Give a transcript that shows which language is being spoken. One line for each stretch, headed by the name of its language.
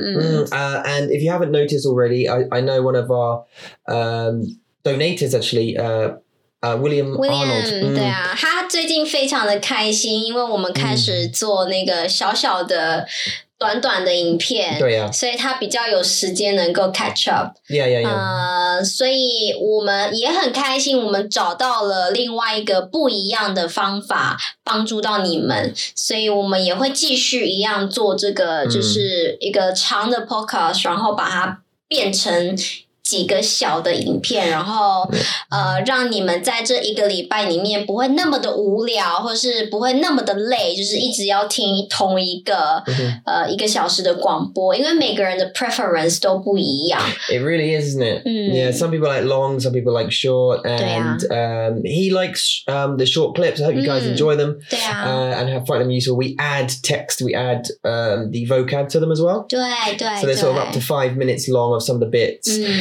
English: And if you haven't noticed already, I know one of our donators actually. William Arnold.
Chinese: 对啊，他最近非常的开心，因为我们开始做那个小小的、短短的影片，对呀、所以他比较有时间能够
English: catch up. Yeah, yeah, yeah.
Chinese: 所以我们也很开心，我们找到了另外一个不一样的方法帮助到你们，所以我们也会继续一样做这个，就是一个长的 podcast，然后把它变成。几个小的影片，然后让你们在这一个礼拜里面不会那么的无聊，或是不会那么的累，就是一直要听同一个一个小时的广播，因为每个人的 preference 都不一样。
English: It really is, isn't it? Yeah, some people like long, some people like short, and he likes the short clips. I hope you guys enjoy them. And have find them useful. We add text, we add the vocab to them as well.
Chinese: 对对。
English: So they're sort of up to 5 minutes long of some of the bits.